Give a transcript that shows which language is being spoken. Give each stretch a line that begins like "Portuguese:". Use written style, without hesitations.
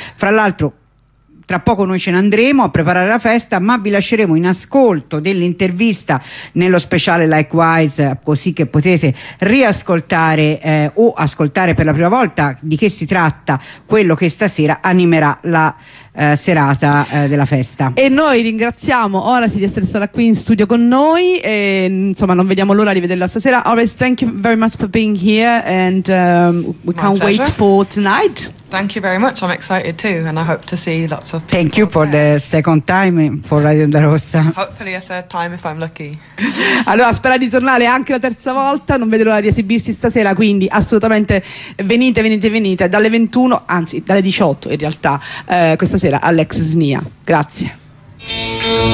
Italian: Fra l'altro tra poco noi ce ne andremo a preparare la festa, ma vi lasceremo in ascolto dell'intervista nello speciale Likewise, così che potete riascoltare o ascoltare per la prima volta di che si tratta quello che stasera animerà la serata della festa. E noi ringraziamo Orasi di essere stata qui in studio con noi e insomma non vediamo l'ora di vederla stasera.
English: Orasi, thank you very much for being here and we can't wait for tonight. Thank you very much. I'm excited too and I hope to see lots of people. Thank you for there. The second time for Radio Onda Rossa. Hopefully a third time if I'm lucky.
Italian: Allora, spera di tornare anche la terza volta, non vedo l'ora di esibirsi stasera, quindi assolutamente venite, venite, venite dalle 21, anzi dalle 18 in realtà, questa sera all'ex Snia. Grazie.